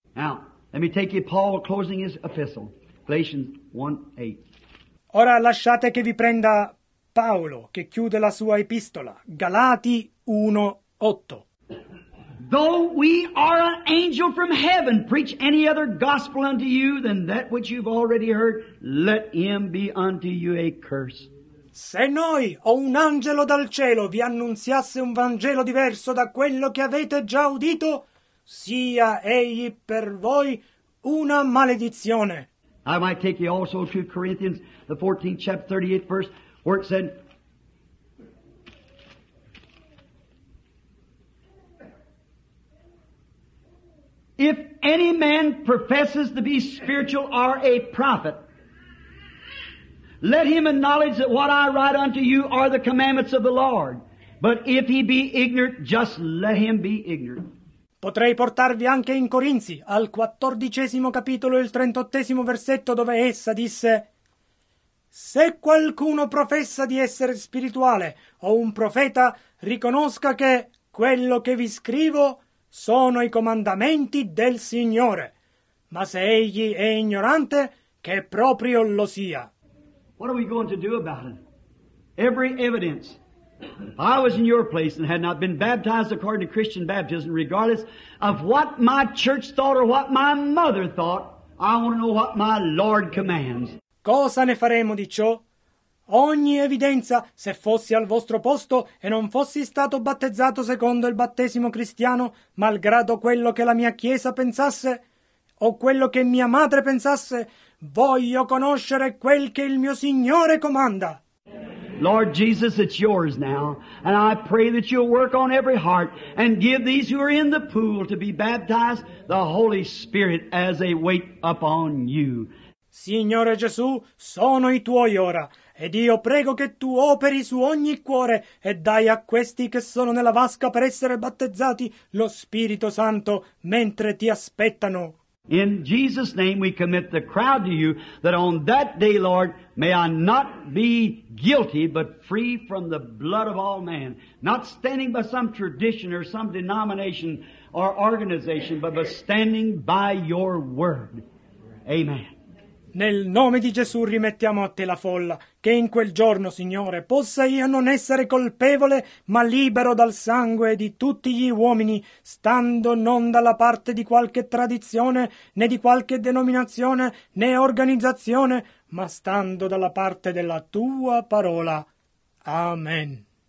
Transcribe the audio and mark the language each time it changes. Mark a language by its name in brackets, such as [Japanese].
[English] Now, let me take you Paul closing his epistle, Galatians 1:8. [Italian] Ora lasciate che vi prenda Paolo, che chiude la sua epistola, Galati 1:8. [English] Though we are an angel from heaven, preach any other gospel unto you than that which you've already heard, let him be unto you a curse. [Italian] Se noi o un angelo dal cielo vi annunziasse un Vangelo diverso da quello che avete già udito, sia egli per voi una maledizione. [English] I might take you also to Corinthians, the 14th chapter, 38th verse, where it said, if any man professes to be spiritual or a prophet, let him acknowledge that what I write unto you are the commandments of the Lord. But if he be ignorant, just let him be ignorant. [Italian] Potrei portarvi anche in Corinzi, al 14° capitolo, il 38° versetto, dove essa disse, se qualcuno professa di essere spirituale o un profeta, riconosca che quello che vi scrivo sono i comandamenti del Signore. Ma se egli è ignorante, che proprio lo sia. [English] What are we going to do about it? Every evidence. If I was in your place and had not been baptized according to Christian baptism, regardless of what my church thought or what my mother thought, I want to know what my Lord commands. [Italian] Cosa ne faremo di ciò? Ogni evidenza, se fossi al vostro posto e non fossi stato battezzato secondo il battesimo cristiano, malgrado quello che la mia chiesa pensasse o quello che mia madre pensasse, voglio conoscere quel che il mio Signore comanda. [English] Lord Jesus, it's yours now, and I pray that you'll work on every heart and give these who are in the pool to be baptized the Holy Spirit as they wait upon you. [Italian] Signore Gesù, sono i tuoi ora, ed io prego che tu operi su ogni cuore e dai a questi che sono nella vasca per essere battezzati lo Spirito Santo mentre ti aspettano. [English] In Jesus' name we commit the crowd to you, that on that day, Lord, may I not be guilty, but free from the blood of all men. Not standing by some tradition or some denomination or organization, but standing by your word. Amen. [Italian] Nel nome di Gesù rimettiamo a te la folla, che in quel giorno, Signore, possa io non essere colpevole, ma libero dal sangue di tutti gli uomini, stando non dalla parte di qualche tradizione, né di qualche denominazione, né organizzazione, ma stando dalla parte della tua parola. Amen.